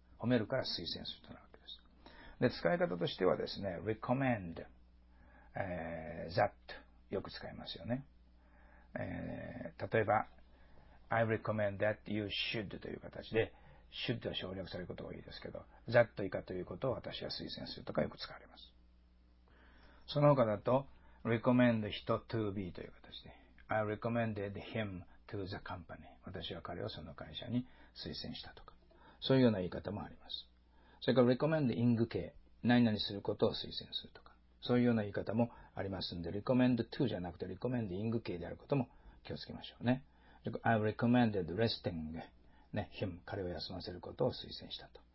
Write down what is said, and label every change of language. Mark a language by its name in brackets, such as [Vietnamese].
[Japanese] 褒めるから推薦するとなるわけです。で、使い方としてはですね、recommend、that よく使いますよね。例えば、 [English] I recommend that you should [Japanese] という形で、should は省略されることが多いですけど、that 以下ということを私は推薦するとかよく使われます。その他だと、recommend 人 to be という形で、 [English] I recommended him to the company。 [Japanese] 私は彼をその会社に推薦したとか。そういうような言い方もあります。それから、recommending 形、何々することを推薦するとか、そういうような言い方もありますので、recommend to じゃなくて、recommending 形であることも気をつけましょうね。 [English] I recommended resting、 [Japanese] ね、him、彼を休ませることを推薦したと。